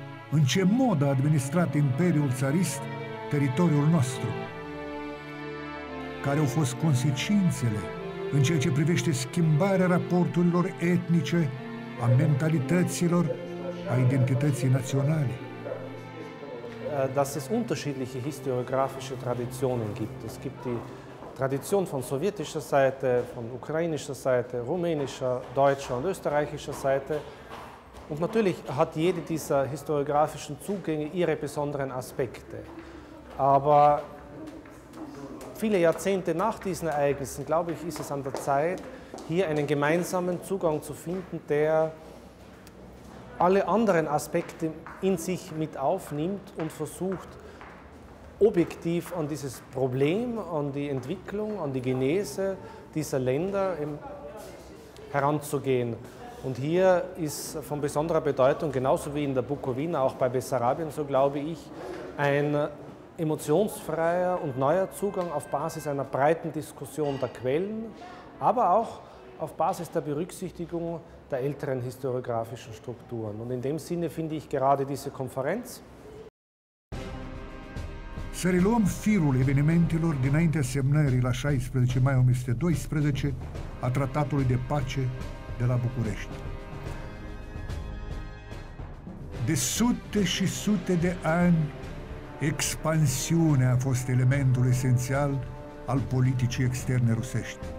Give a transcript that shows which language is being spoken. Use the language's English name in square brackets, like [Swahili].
[Romanian] În ce mod a administrat Imperiul Țarist teritoriul nostru? Care au fost consecințele în ceea ce privește schimbarea raporturilor etnice, a mentalităților, a identității naționale? [German] Dass es unterschiedliche historiografische Traditionen gibt. Es gibt die Tradition von sowjetischer Seite, von ukrainischer Seite, rumänischer, deutscher und österreichischer Seite. Und natürlich hat jede dieser historiografischen Zugänge ihre besonderen Aspekte. Aber viele Jahrzehnte nach diesen Ereignissen, glaube ich, ist es an der Zeit, hier einen gemeinsamen Zugang zu finden, der alle anderen Aspekte in sich mit aufnimmt und versucht, objektiv an dieses Problem, an die Entwicklung, an die Genese dieser Länder heranzugehen. Und hier ist von besonderer Bedeutung, genauso wie in der Bukowina, auch bei Bessarabien, so glaube ich, ein emotionsfreier und neuer Zugang auf Basis einer breiten Diskussion der Quellen, aber auch auf Basis der Berücksichtigung der älteren historiografischen Strukturen. Und in dem Sinne finde ich gerade diese Konferenz. [Romanian] Să reluăm firul evenimentelor dinaintea semnării la 16 mai 1812 a Tratatului de Pace de la București. De sute și sute de ani, expansiunea a fost elementul esențial al politicii externe rusești.